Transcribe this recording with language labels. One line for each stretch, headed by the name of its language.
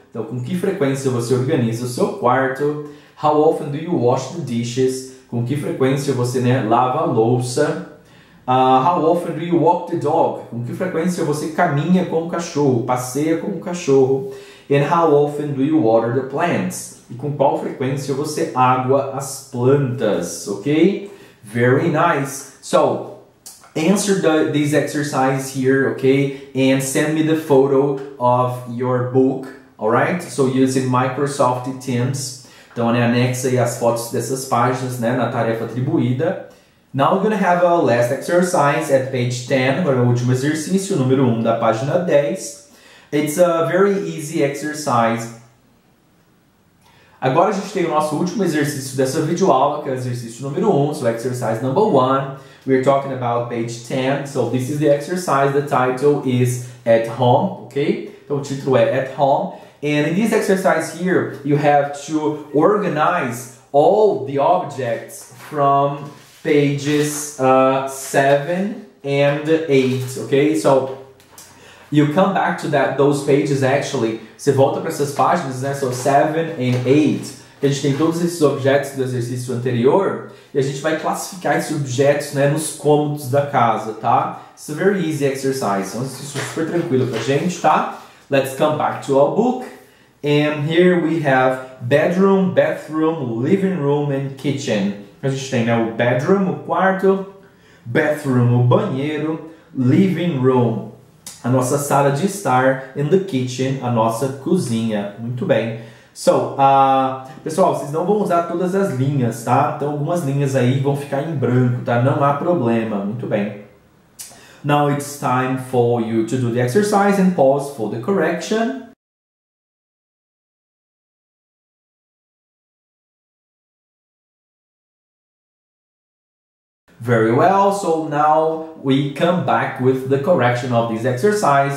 Portuguese: Então, com que frequência você organiza o seu quarto?
English: How often do you wash the dishes?
Portuguese: Com que frequência você, né, lava a louça?
English: How often do you walk the dog?
Portuguese: Com que frequência você caminha com o cachorro, passeia com o cachorro?
English: And how often do you water the plants?
Portuguese: E com qual frequência você água as plantas, ok?
English: Very nice. So, answer this exercise here, ok? And send me the photo of your book, alright? So, using Microsoft Teams.
Portuguese: Então, né, anexa aí as fotos dessas páginas, né, na tarefa atribuída.
English: Now we're going to have a last exercise at page 10,
Portuguese: agora o último exercício, número 1 da página 10.
English: It's a very easy exercise.
Portuguese: Agora a gente tem o nosso último exercício dessa videoaula, que é o exercício número 1,
English: so exercise number 1. We're talking about page 10, so this is the exercise, the title is At Home, ok?
Portuguese: Então o título é
English: At Home. And in this exercise here, you have to organize all the objects from pages 7 and 8, ok? So, you come back to that those pages, actually.
Portuguese: Você volta para essas páginas, né?
English: So, 7 and 8.
Portuguese: Que a gente tem todos esses objetos do exercício anterior. E a gente vai classificar esses objetos, né, nos cômodos da casa, tá?
English: It's a very easy exercise.
Portuguese: É um exercício super tranquilo pra gente, tá?
English: Let's come back to our book. And here we have bedroom, bathroom, living room and kitchen.
Portuguese: A gente tem, né, o bedroom, o quarto, bathroom, o banheiro, living room, a nossa sala de estar, and the kitchen, a nossa cozinha. Muito bem. So, pessoal, vocês não vão usar todas as linhas, tá? Então, algumas linhas aí vão ficar em branco, tá? Não há problema. Muito bem.
English: Now it's time for you to do the exercise and pause for the correction. Very well, so now we come back with the correction of this exercise.